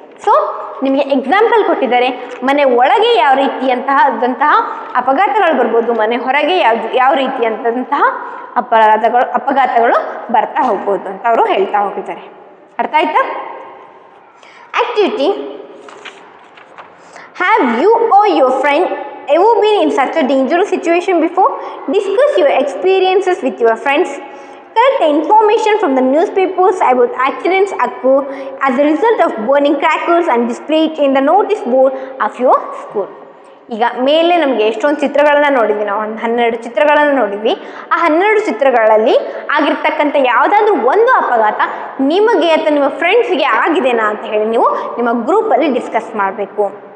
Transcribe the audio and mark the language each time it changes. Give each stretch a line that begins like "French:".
Kannada: So ನಿಮಗೆ example ಕೊಟ್ಟಿದ್ದಾರೆ, ಮನೆ ಒಳಗೆ ಯಾವ ರೀತಿಯಂತಹದಂತಹ ಅಪಘಾತಗಳು ಬರ್ಬೋದು, ಮನೆ ಹೊರಗೆ ಯಾವ ರೀತಿಯಂತಹ ಅಪಘಾತಗಳು ಬರ್ತಾ ಹೋಗ್ಬೋದು ಅಂತ ಅವರು ಹೇಳ್ತಾ ಹೋಗಿದ್ದಾರೆ. ಅರ್ಥ ಆಯ್ತಾ?
English: Activity, have you or your friend ever been in such a dangerous situation before? Discuss your experiences with your friends. Collect information from the newspapers about accidents occur as a result of burning crackers and display it in the notice board of your school.
Kannada: ಈಗ ಮೇಲೆ ನಮಗೆ ಎಷ್ಟೊಂದು ಚಿತ್ರಗಳನ್ನು ನೋಡಿದ್ವಿ, ನಾವು ಒಂದು 12 ಚಿತ್ರಗಳನ್ನು ನೋಡಿದ್ವಿ. ಆ 12 ಚಿತ್ರಗಳಲ್ಲಿ ಆಗಿರ್ತಕ್ಕಂಥ ಯಾವುದಾದ್ರೂ ಒಂದು ಅಪಘಾತ ನಿಮಗೆ ಅಥವಾ ನಿಮ್ಮ ಫ್ರೆಂಡ್ಸ್ಗೆ ಆಗಿದೆನಾ ಅಂತ ಹೇಳಿ ನೀವು ನಿಮ್ಮ ಗ್ರೂಪಲ್ಲಿ ಡಿಸ್ಕಸ್ ಮಾಡಬೇಕು.